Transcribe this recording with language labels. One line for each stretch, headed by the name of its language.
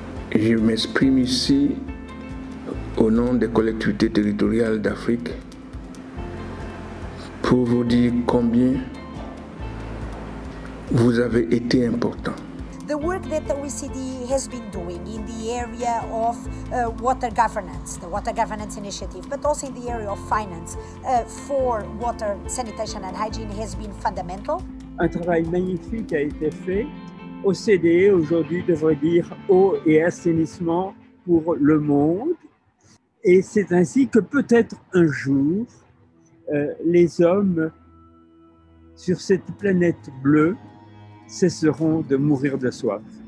French: Je m'exprime ici au nom des collectivités territoriales d'Afrique pour vous dire combien vous avez été important.
English: The work that the OECD has been doing in the area of water governance, the Water Governance Initiative, but also in the area of finance for water, sanitation and hygiene has been fundamental.
French: Un travail magnifique a été fait. OCDE aujourd'hui devrait dire eau et assainissement pour le monde. Et c'est ainsi que peut-être un jour, les hommes sur cette planète bleue cesseront de mourir de soif.